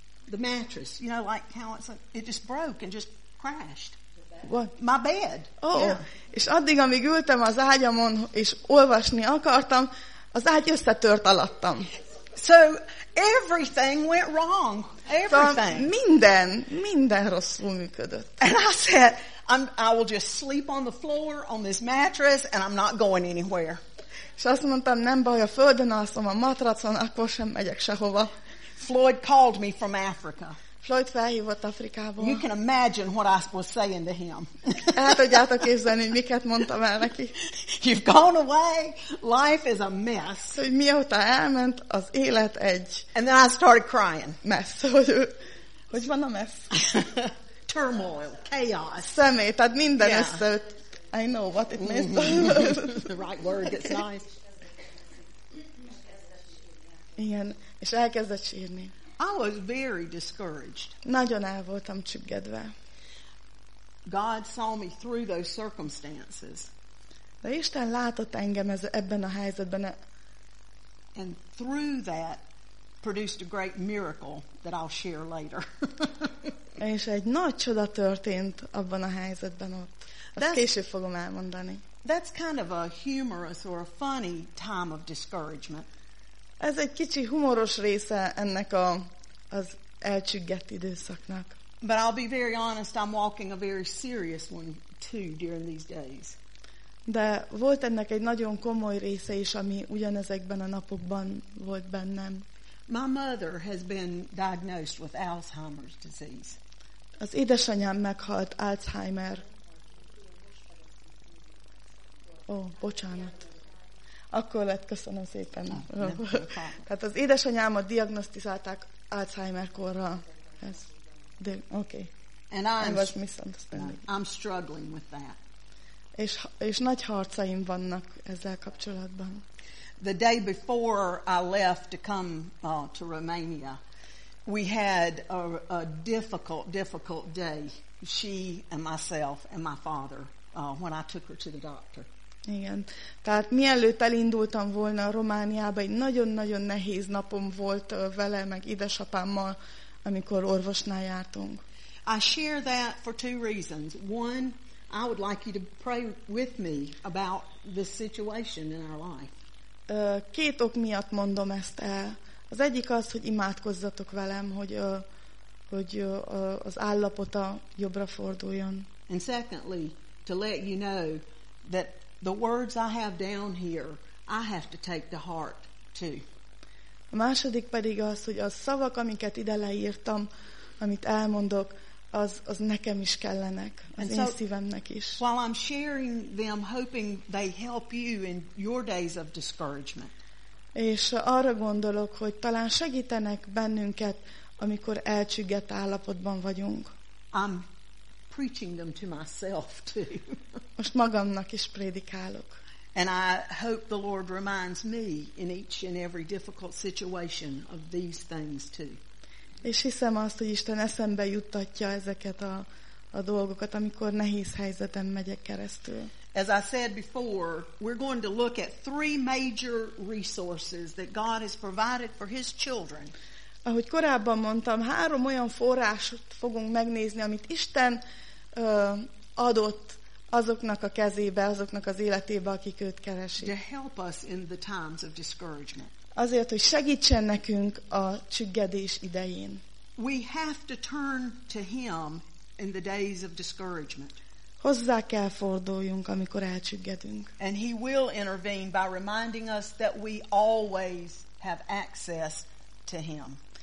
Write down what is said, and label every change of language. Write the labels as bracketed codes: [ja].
[en] The mattress, you know, like how it's like, it just broke and just crashed. What? My bed. Oh. Yeah. [hu] És addig, amíg ültem az ágyamon és olvasni akartam, az ágy összetört alattam. [en] So everything went wrong. Everything. [hu] Szóval minden rosszul működött. [en] And I said, I will just sleep on the floor on this mattress and I'm not going anywhere. [hu] És azt mondtam, nem baj, a földön alszom a matracon, akkor sem megyek sehova. [en] Floyd called me from Africa. [hu] Floyd felhívott Afrikából. [en] You can imagine what I was saying to him. [hu] El tudjátok képzelni, miket mondtam el neki. [en] You've gone away. Life is a mess. [hu] Hogy mióta elment, az élet egy. [en] And then I started crying. [hu] Mess. Hogy van a mess? [en] Turmoil, chaos. [hu] Szemét, tehát minden összeült. [en] I know what it means. The right word gets nice. [hu] Igen, és elkezdett sírni. [en] I was very discouraged. [hu] Nagyon el voltam csüggedve. [en] God saw me through those circumstances. [hu] De Isten látott engem ebben a helyzetben. [en] And through that produced a great miracle that I'll share later. [hu] És egy nagy csoda történt abban a helyzetben ott. Azt később fogom elmondani. [en] That's kind of a humorous or a funny time of discouragement. [hu] Ez egy kicsi humoros része ennek az elcsüggett időszaknak. [en] But I'll be very honest, I'm walking a very serious one too during these days. [hu] De volt ennek egy nagyon komoly része is, ami ugyanezekben a napokban volt bennem. [en] My mother has been diagnosed with Alzheimer's disease. [hu] Az édesanyám meghalt Alzheimer. Bocsánat. Akkor lett, köszönöm szépen. Tehát az édesanyámat diagnosztizálták Alzheimer-korral. [en] Okay. And I was misunderstanding. I'm struggling with that. [hu] És nagy harcaim vannak ezzel kapcsolatban. [en] The day before I left to come to Romania, we had a difficult day. She and myself and my father when I took her to the doctor. [hu] Igen. Tehát mielőtt elindultam volna Romániába, egy nagyon-nagyon nehéz napom volt vele, meg édesapámmal, amikor orvosnál jártunk. [en] I share that for two reasons. One, I would like you to pray with me about this situation in our life. [hu] Két ok miatt mondom ezt el. Az egyik az, hogy imádkozzatok velem, hogy az állapota jobbra forduljon. [en] And secondly, to let you know that the words I have down here, I have to take to heart too. [hu] A második pedig az, hogy a szavak, amiket ide leírtam, amit elmondok, az nekem is kellenek, az [en] so, [hu] szívemnek is. [en] While I'm sharing them, hoping they help you in your days of discouragement. [hu] És arra gondolok, hogy talán segítenek bennünket, amikor elcsüggett állapotban vagyunk. [en] I'm preaching them to myself too. [hu] Most magamnak is prédikálok. [en] And I hope the Lord reminds me in each and every difficult situation of these things too. [hu] És hiszem azt, hogy Isten eszembe juttatja ezeket a dolgokat, amikor nehéz helyzeten megyek keresztül. [en] As I said before, we're going to look at three major resources that God has provided for his children. [hu] Ahogy korábban mondtam, három olyan forrást fogunk megnézni, amit Isten adott azoknak a kezébe, azoknak az életébe, akik őt keresik. [en] To help us in the times of discouragement. [hu] Azért, hogy segítsen nekünk a csüggedés idején. [en] We have to turn to him in the days of discouragement. [hu] Hozzá kell forduljunk, amikor elcsüggedünk. [en] And he will intervene by reminding us that we always have access to him.